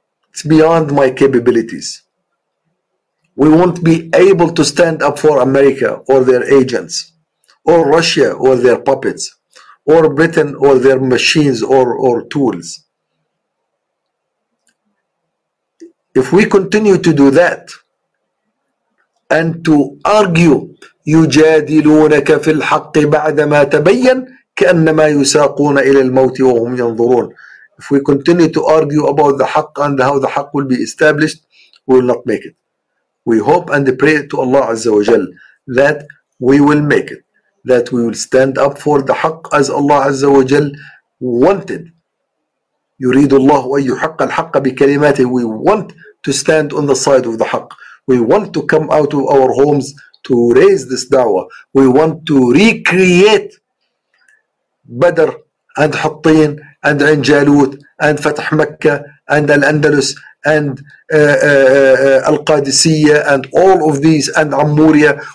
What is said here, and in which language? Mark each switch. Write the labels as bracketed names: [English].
[English] It's beyond my capabilities. We won't be able to stand up for America or their agents, or Russia or their puppets, or Britain or their machines or tools. If we continue to do that and to argue, [Arabic] يجادلونك في الحق بعدما تبين كأنما يساقون إلى الموت وهم ينظرون. [English] If we continue to argue about the haqq and how the haqq will be established, we will not make it. We hope and pray to Allah Azza wa Jal that we will make it, that we will stand up for the haqq as Allah Azza wa Jal wanted. [Arabic] يريد الله أن يحق الحق بكلماته. [English] We want to stand on the side of the haqq. We want to come out of our homes to raise this da'wah. We want to recreate Badr and Hattin and Ain Jalut and Fatah Mecca and Al-Andalus and Al-Qadisiyya and all of these and Amuria.